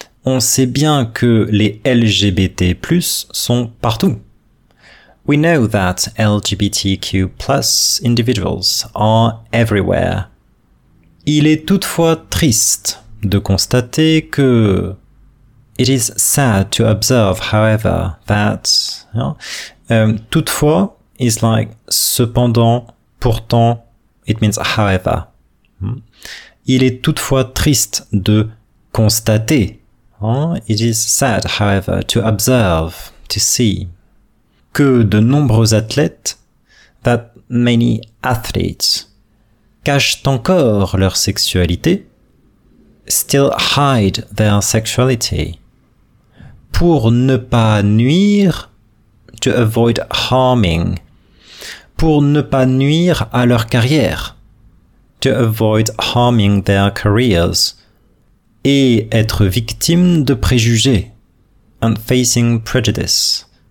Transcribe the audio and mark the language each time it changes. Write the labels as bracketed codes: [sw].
[fr] On sait bien que les LGBT+ sont partout. [en] We know that LGBTQ+ individuals are everywhere. [fr] Il est toutefois triste de constater que... [en] It is sad to observe, however, that... Toutefois, is like cependant, pourtant, it means however. [fr] Il est toutefois triste de constater. [en] It is sad, however, to observe, to see. [fr] Que de nombreux athlètes, [en] that many athletes, [fr] cachent encore leur sexualité, [en] still hide their sexuality, [fr] pour ne pas nuire, [en] to avoid harming, [fr] pour ne pas nuire à leur carrière, [en] to avoid harming their careers, [fr] et être victime de préjugés, [en] and facing prejudice.